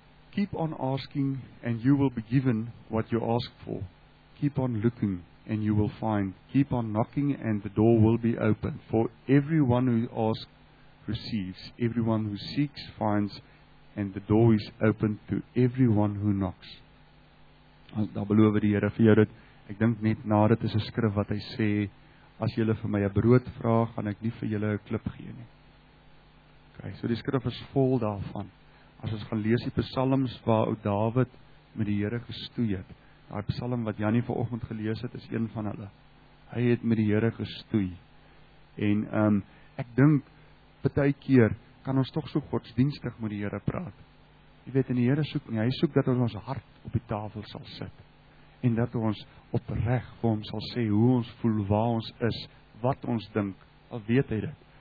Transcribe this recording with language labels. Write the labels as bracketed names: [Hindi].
[English] Keep on asking and you will be given what you ask for. Keep on looking and you will find. Keep on knocking and the door will be open. For everyone who asks receives. Everyone who seeks finds and the door is open to everyone who knocks. [Afrikaans] Daar beloof die Here vir jou dit. Ek dink net na dit is 'n skrif wat hy sê, as jy vir my 'n brood vra, gaan ek nie vir julle 'n klip gee nie. OK, so die skrif is vol daarvan. As ons gaan lees die psalms waar ou Dawid met die Here gestoei het. Daai psalm wat Jannie vanoggend gelees het, is een van hulle. Hy het met die Here gestoei. En ek dink baie keer kan ons tog so godsdienstig met die Here praat. Jy weet, en die Here soek nie, hy soek dat ons hart op die tafel sal sit. En dat ons opreg vir hom sal sê hoe ons voel, waar ons is, wat ons dink, al weet hy dit.